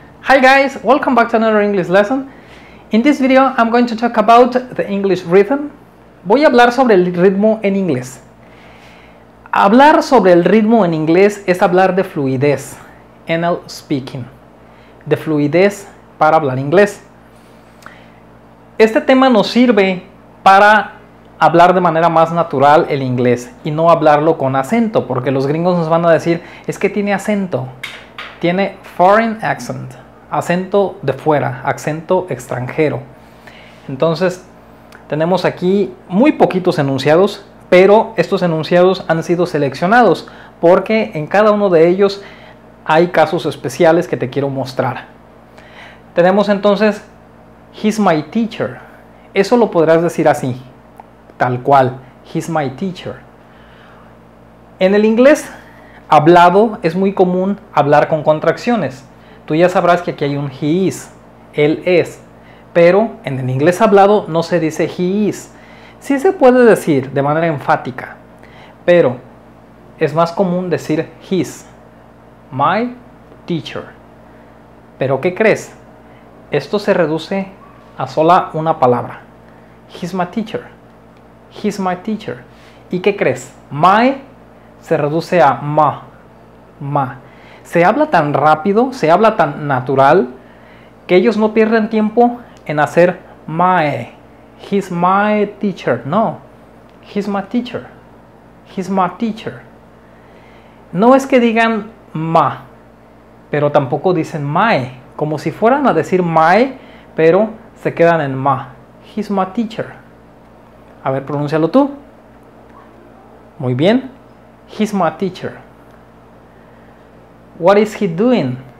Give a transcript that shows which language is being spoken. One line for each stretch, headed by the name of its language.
English: Hi guys, welcome back to another English lesson. In this video, I'm going to talk about the English rhythm.
Spanish: Voy a hablar sobre el ritmo en inglés. Hablar sobre el ritmo en inglés es hablar de fluidez en el speaking. De fluidez para hablar inglés. Este tema nos sirve para hablar de manera más natural el inglés y no hablarlo con acento, porque los gringos nos van a decir, es que tiene acento. Tiene foreign accent. Acento de fuera, acento extranjero. Entonces, tenemos aquí muy poquitos enunciados, pero estos enunciados han sido seleccionados porque en cada uno de ellos hay casos especiales que te quiero mostrar. Tenemos entonces,
English: he's my teacher.
Spanish: Eso lo podrás decir así, tal cual,
English: he's my teacher.
Spanish: En el inglés hablado es muy común hablar con contracciones. Tú ya sabrás que aquí hay un he is, él es, pero en el inglés hablado no se dice he is. Sí se puede decir de manera enfática, pero es más común decir
English: his, my teacher.
Spanish: ¿Pero qué crees? Esto se reduce a sola una palabra.
English: He's my teacher. He's my teacher.
Spanish: ¿Y qué crees? My se reduce a ma, ma. Se habla tan rápido, se habla tan natural, que ellos no pierden tiempo en hacer
English: my, he's my teacher.
Spanish: No,
English: he's my teacher, he's my teacher.
Spanish: No es que digan ma, pero tampoco dicen my, como si fueran a decir my, pero se quedan en ma,
English: he's my teacher.
Spanish: A ver, pronúncialo tú. Muy bien,
English: he's my teacher. What is he doing?